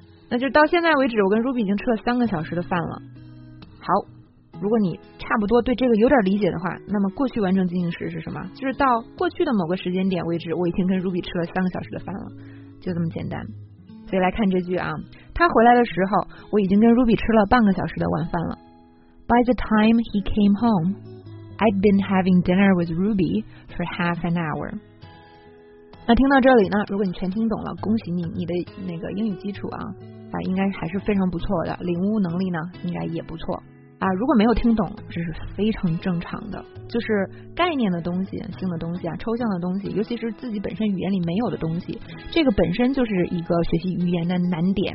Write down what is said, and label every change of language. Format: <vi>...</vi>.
<zh>那就到现在为止我跟 Ruby 已经吃了三个小时的饭了。好，如果你差不多对这个有点理解的话，那么过去完成进行时是什么，就是到过去的某个时间点为止我已经跟 Ruby 吃了三个小时的饭了，就这么简单。所以来看这句啊，他回来的时候我已经跟 Ruby 吃了半个小时的晚饭了。</zh> <en>By the time he came home I'd been having dinner with Ruby for half an hour。</en> <zh>那听到这里呢，如果你全听懂了，恭喜你，你的那个英语基础 啊应该还是非常不错的，领悟能力呢应该也不错啊。如果没有听懂，这是非常正常的，就是概念的东西、性的东西啊、抽象的东西，尤其是自己本身语言里没有的东西，这个本身就是一个学习语言的难点。</zh>